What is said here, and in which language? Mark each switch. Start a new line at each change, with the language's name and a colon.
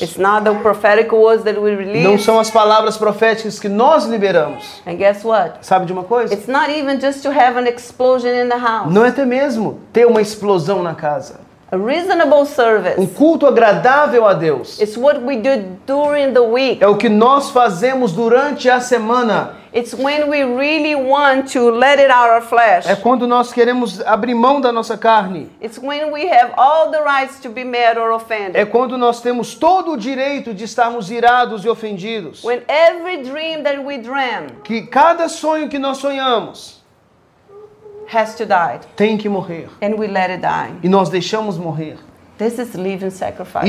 English: It's not the prophetic words that we release.
Portuguese: Não são as palavras proféticas que nós liberamos.
English: And guess what?
Portuguese: Sabe de uma coisa?
English: It's not even just to have an explosion in the house.
Portuguese: Não é até mesmo ter uma explosão na casa.
English: A reasonable service.
Portuguese: Um culto agradável a Deus.
English: It's what we do during the week.
Portuguese: É o que nós fazemos durante a semana.
English: It's when we really want to let it out our flesh.
Portuguese: É quando nós queremos abrir mão da nossa carne.
English: It's when we have all the rights to be mad or offended.
Portuguese: É quando nós temos todo o direito de estarmos irados e ofendidos.
English: When every dream that we dream.
Portuguese: Que cada sonho que nós sonhamos
English: has to die.
Portuguese: Tem que morrer.
English: And we let it die.
Portuguese: E nós deixamos morrer.
English: This is living sacrifice.